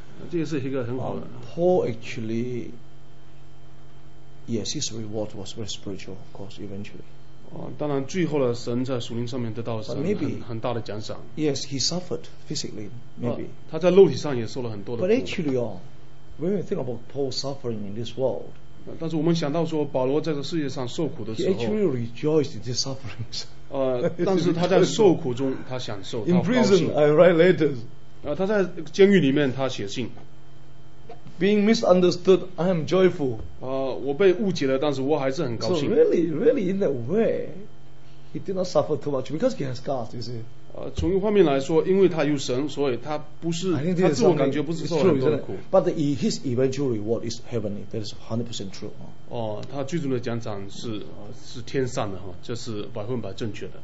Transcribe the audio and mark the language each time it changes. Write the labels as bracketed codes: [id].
[zh] 这也是一个很好的。 [en] Paul actually, yes, his reward was very spiritual, of course, eventually. [zh] 当然，最后的神在属灵上面得到神 很大的奖赏。 [en] Yes, he suffered physically, maybe. [zh] 他在肉体上也受了很多的苦。 [en] But actually, when you think about Paul suffering in this world. [zh] 但是我们想到说，保罗在这世界上受苦的时候 [en] ，He actually rejoiced in the sufferings. [zh] 但是他在受苦中，他享受。 [en] In prison, I write letters. [zh] 他在监狱里面，他写信。 [en] Being misunderstood, I am joyful. [zh] 我被误解了，但是我还是很高兴。 [en] So really, really in that way, he did not suffer too much because he has God, you see. [zh] 从一方面来说，因为他有神，所以他不是他自我感觉不是受很多的苦。 [en] But his eventual reward is heavenly. That is 100% true. [zh] 他最终的奖赏是天上的，这是百分百正确的。